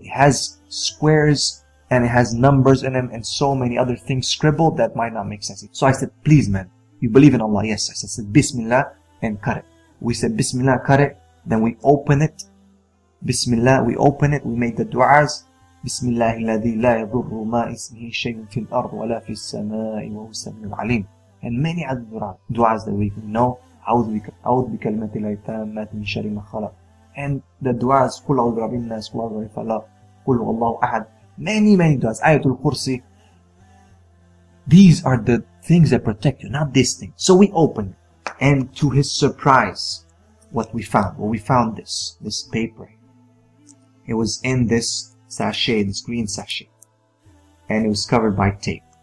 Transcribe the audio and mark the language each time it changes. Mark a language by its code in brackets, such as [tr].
[en] It has squares and it has numbers in them and so many other things scribbled that might not make sense. So I said, please, man, you believe in Allah? Yes. I said, Bismillah, and cut it. We said, Bismillah, cut it. Then we open it. Bismillah, we open it. We made the du'as. [ar] بسم الله الذي لا يضر ما اسمه شيء في الأرض ولا في السماء وهو السميع العليم. [en] And many other du'as that we can know. [ar] أعوذ بكلمة الله التامة من شر ما خلق. [en] And the du'as [ar] قل أعوذ برب الناس قل أعوذ برب الفلق قل الله أحد. [en] Many du'as. آية الكرسي. These are the things that protect you, not this thing. So we opened. And to his surprise, what we found. Well, we found this paper. It was in this sachet, this green sachet, and it was covered by tape.